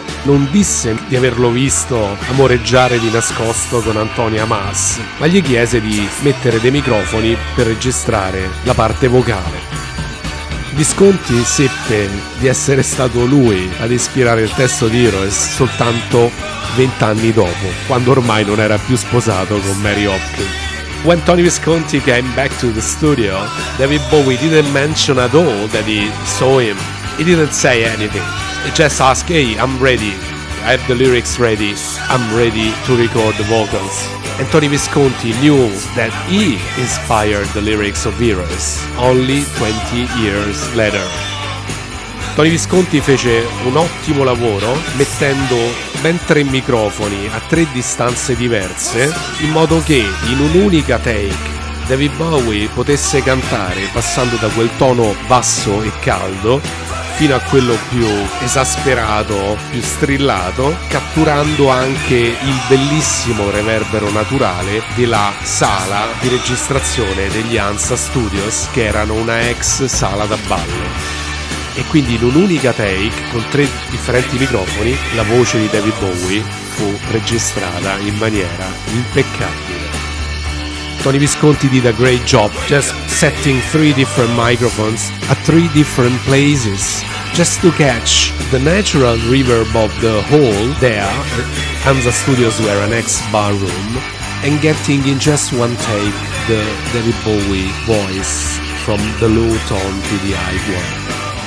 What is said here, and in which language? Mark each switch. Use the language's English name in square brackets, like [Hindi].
[Italian] Non disse di averlo visto amoreggiare di nascosto con Antonia Hamas, ma gli chiese di mettere dei microfoni per registrare la parte vocale. Visconti seppe di essere stato lui ad ispirare il testo di Heroes soltanto 20 anni dopo, quando ormai non era più sposato con Mary Hopkins. [English] When Tony Visconti came back to the studio, David Bowie didn't mention at all that he saw him. He didn't say anything. He just asked, "Hey, I'm ready. I have the lyrics ready. I'm ready to record the vocals." And Tony Visconti knew that he inspired the lyrics of Heroes only 20 years later. [Italian] Tony Visconti fece un ottimo lavoro mettendo ben 3 microfoni a 3 distanze diverse, in modo che in un'unica take David Bowie potesse cantare passando da quel tono basso e caldo fino a quello più esasperato, più strillato, catturando anche il bellissimo reverbero naturale della sala di registrazione degli Hansa Studios, che erano una ex sala da ballo. E quindi in un'unica take, con tre differenti microfoni, la voce di David Bowie fu registrata in maniera impeccabile. [English] Tony Visconti did a great job just setting three different microphones at three different places just to catch the natural reverb of the hall there, Hansa Studios were an ex-bar room, and getting in just one take the David Bowie voice from the low tone to the high one.